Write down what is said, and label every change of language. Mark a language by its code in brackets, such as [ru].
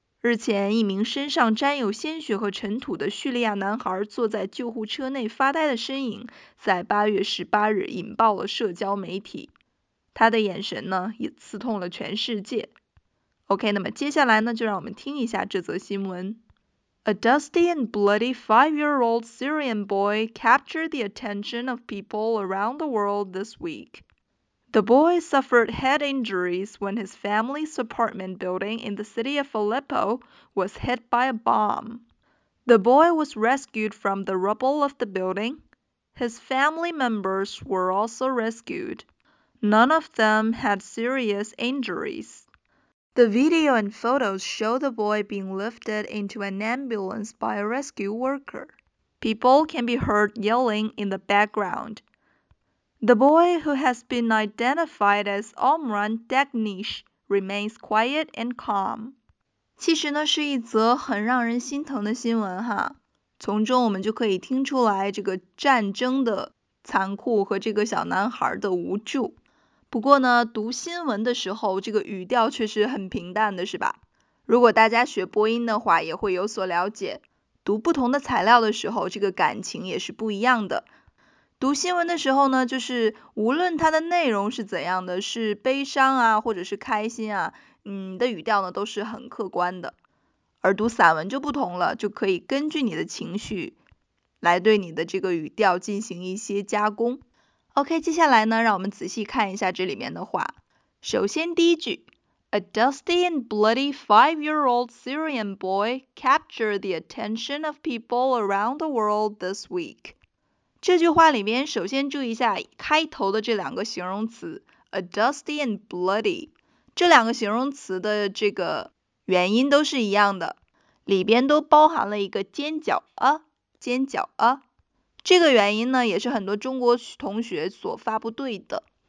[zh] 日前，一名身上沾有鲜血和尘土的叙利亚男孩坐在救护车内发呆的身影，在8月18日引爆了社交媒体。他的眼神呢，也刺痛了全世界。OK， 那么接下来呢，就让我们听一下这则新闻。 [en] A dusty and bloody 5-year-old Syrian boy captured the attention of people around the world this week. The boy suffered head injuries when his family's apartment building in the city of Aleppo was hit by a bomb. The boy was rescued from the rubble of the building. His family members were also rescued. None of them had serious injuries. The video and photos show the boy being lifted into an ambulance by a rescue worker. People can be heard yelling in the background. The boy, who has been identified as Omran Dagnish, remains quiet and calm. [zh] 其实呢，是一则很让人心疼的新闻哈。从中我们就可以听出来这个战争的残酷和这个小男孩的无助。不过呢，读新闻的时候这个语调确实很平淡的，是吧？如果大家学播音的话也会有所了解，读不同的材料的时候这个感情也是不一样的。读新闻的时候呢，就是无论它的内容是怎样的，是悲伤啊或者是开心啊，你的语调呢都是很客观的。而读散文就不同了，就可以根据你的情绪来对你的这个语调进行一些加工。 OK， 接下来呢，让我们仔细看一下这里面的话。首先第一句， [en] A dusty and bloody 5-year-old Syrian boy captured the attention of people around the world this week. [zh] 这句话里面首先注意一下开头的这两个形容词， [en] A dusty and bloody， [zh] 这两个形容词的这个元音都是一样的，里边都包含了一个尖角啊，尖角啊。这个元音呢，也是很多中国同学所发不对的。